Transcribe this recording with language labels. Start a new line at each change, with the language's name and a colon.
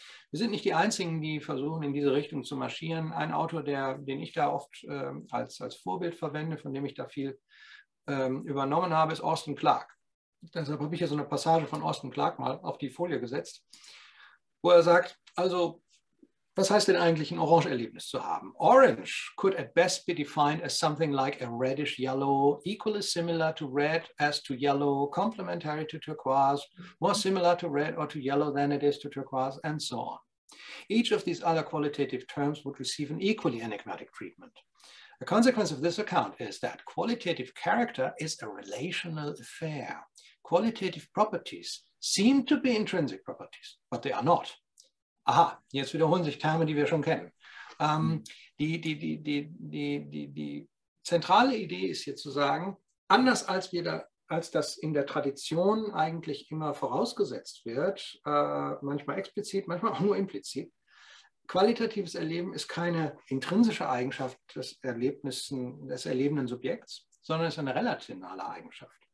German: Wir sind nicht die Einzigen, die versuchen, in diese Richtung zu marschieren. Ein Autor, den ich da oft als Vorbild verwende, von dem ich da viel übernommen habe, ist Austin Clark. Deshalb habe ich hier so eine Passage von Austin Clark mal auf die Folie gesetzt, wo er sagt, also Was heißt denn eigentlich, ein Orange-Erlebnis zu haben?
English: Orange could at best be defined as something like a reddish yellow, equally similar to red as to yellow, complementary to turquoise, more similar to red or to yellow than it is to turquoise, and so on. Each of these other qualitative terms would receive an equally enigmatic treatment. A consequence of this account is that qualitative character is a relational affair. Qualitative properties seem to be intrinsic properties, but they are not.
German: Aha, jetzt wiederholen sich Terme, die wir schon kennen. Die zentrale Idee ist hier zu sagen, anders als wir da, als das in der Tradition eigentlich immer vorausgesetzt wird, manchmal explizit, manchmal auch nur implizit, qualitatives Erleben ist keine intrinsische Eigenschaft des erlebenden Subjekts, sondern ist eine relationale Eigenschaft.